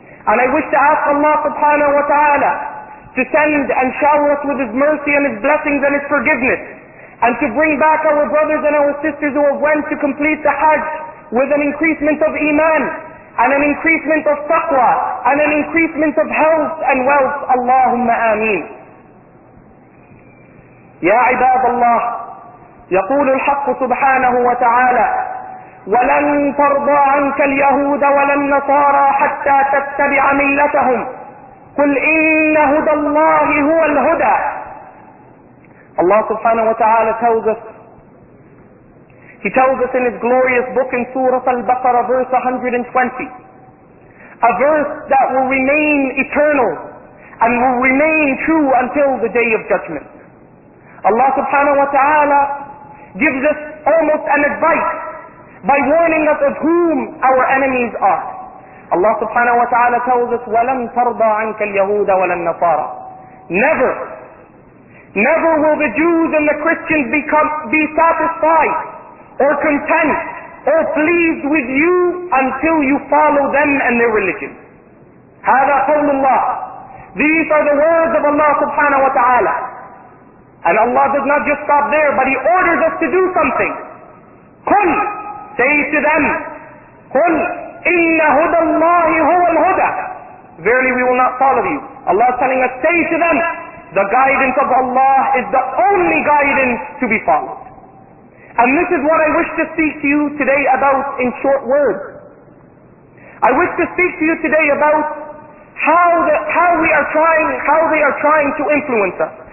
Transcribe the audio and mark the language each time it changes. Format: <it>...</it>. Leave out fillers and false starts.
<en>And I wish to ask Allah subhanahu wa ta'ala to send and shower us with His mercy and His blessings and His forgiveness, and to bring back our brothers and our sisters who have went to complete the Hajj with an increasement of Iman and an increasement of Taqwa and an increasement of health and wealth. Allahumma ameen.</en> <ar>Ya ibad Allah, يقول الحق سبحانه وتعالى ولن ترضى عنك اليهود ولا النصارى حتى تتبع ملتهم قل إن هدى الله هو الهدى.</ar> <en>Allah subhanahu wa ta'ala tells us, He tells us in His glorious book in Surah Al-Baqarah verse 120, a verse that will remain eternal and will remain true until the day of judgment. Allah subhanahu wa ta'ala gives us almost an advice by warning us of whom our enemies are. Allah subhanahu wa ta'ala tells us,</en> <ar>وَلَمْ تَرْضَى عَنْكَ الْيَهُودَ وَلَا النَّصَارَى.</ar> <en>Never, never will the Jews and the Christians be satisfied or content or pleased with you until you follow them and their religion.</en> <ar>هَذَا قَوْلُ اللَّهِ.</ar> <en>These are the words of Allah subhanahu wa ta'ala. And Allah does not just stop there, but He orders us to do something.</en> <ar>قُلْ.</ar> <en>Say to them,</en> <ar>قُلْ إِنَّ هُدَى اللَّهِ هُوَ الْهُدَى.</ar> <en>Verily we will not follow you. Allah is telling us, say to them, the guidance of Allah is the only guidance to be followed. And this is what I wish to speak to you today about in short words. I wish to speak to you today about how they are trying to influence us.</en>